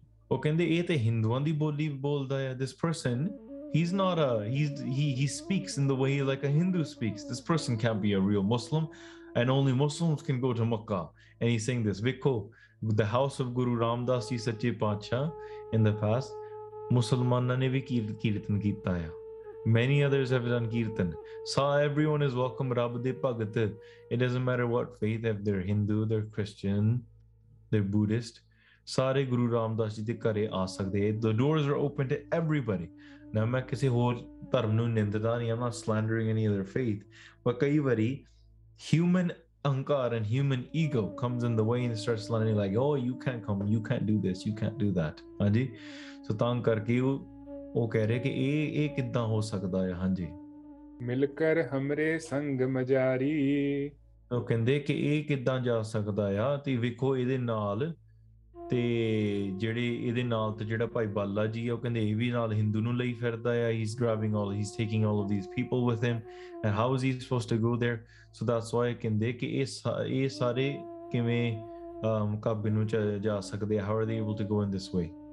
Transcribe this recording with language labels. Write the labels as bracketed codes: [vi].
[pa] ਉਹ ਕਹਿੰਦੇ ਇਹ ਤੇ ਹਿੰਦੂਆਂ ਦੀ ਬੋਲੀ ਬੋਲਦਾ ਹੈ [en] this person he is not a he speaks in the way like a Hindu speaks this person can't be a real Muslim and only Muslims can go to Mecca and he saying this ਵੇਖੋ the house of Guru Ramdas ji ਸੱਚੇ ਪਾਤਸ਼ਾਹ in the past [pa] ਮੁਸਲਮਾਨਾਂ ਨੇ ਵੀ ਕੀਰਤਨ ਕੀਤਾ ਆ [en] Many others have done kirtan. So everyone is welcome, Rab de Bhagat. It doesn't matter what faith, if they're Hindu, they're Christian, they're Buddhist. [pa] Sare Guru Ram Das Ji de kare aa sakde. [en] The doors are open to everybody. [pa] Now, main kisi hor dharm nu nindda nahi, [en] I'm not slandering any other faith. But [pa] kai vari, [en] human ankar and human ego comes in the way and starts slandering like, oh, you can't come, you can't do this, you can't do that. [pa] Haanji? So taan karke ho, ਉਹ ਕਹਿ ਰਹੇ ਕਿ ਇਹ ਇਹ ਕਿੱਦਾਂ ਹੋ ਸਕਦਾ ਹੈ ਹਾਂਜੀ ਮਿਲਕਰ ਹਮਰੇ ਸੰਗ ਮਜਾਰੀ ਉਹ ਕਹਿੰਦੇ ਕਿ ਇਹ ਕਿੱਦਾਂ ਜਾ ਸਕਦਾ ਆ ਤੇ ਵੇਖੋ ਇਹਦੇ ਨਾਲ ਤੇ ਜਿਹੜੇ ਇਹਦੇ ਨਾਲ ਤੇ ਜਿਹੜਾ ਭਾਈ ਬਾਲਾ ਜੀ ਆ ਉਹ ਕਹਿੰਦੇ ਇਹ ਵੀ ਨਾਲ ਹਿੰਦੂ ਨੂੰ ਲਈ ਫਿਰਦਾ ਆ [en] he is grabbing all he is taking all of these people with him and how is he suppose to go there so that's why [pa] ਕਹਿੰਦੇ ਕਿ ਇਹ ਇਹ ਸਾਰੇ ਕਿਵੇਂ ਕਾਬੇ ਨੂੰ ਜਾ ਸਕਦੇ ਆ [en] how are they able to go in this way